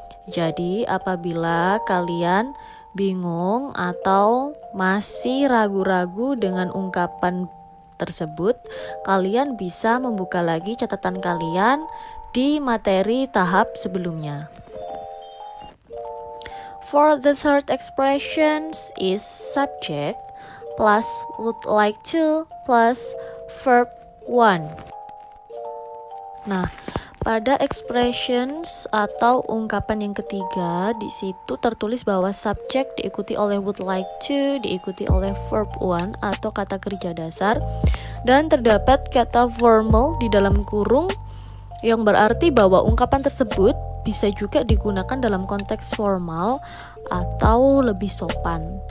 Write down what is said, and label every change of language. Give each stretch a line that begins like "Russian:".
Indonesian: Jadi, apabila kalian bingung atau masih ragu-ragu dengan ungkapan tersebut, kalian bisa membuka lagi catatan kalian di materi tahap sebelumnya.
English: For the third expressions is subject plus would like to plus verb 1.
Indonesian: Nah, pada expressions atau ungkapan yang ketiga, di situ tertulis bahwa subject diikuti oleh would like to diikuti oleh verb 1 atau kata kerja dasar, dan terdapat kata formal di dalam kurung yang berarti bahwa ungkapan tersebut bisa juga digunakan dalam konteks formal atau lebih sopan.